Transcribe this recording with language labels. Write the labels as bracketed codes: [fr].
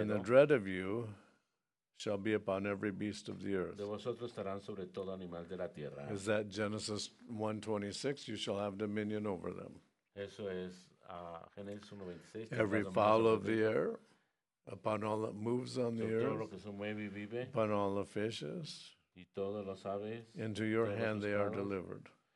[en] and the dread of you shall be upon every beast of the earth. [es] De vosotros estarán sobre todo animal de la tierra. [en] Is that Genesis 1:26? You shall have dominion over them. [es] Eso es, Genesis 1:26, [en] every fowl of the air. Upon all that moves on the earth, [es] lo que se mueve y vive, upon all the fishes, y todos los aves, [en] into your hand they are delivered.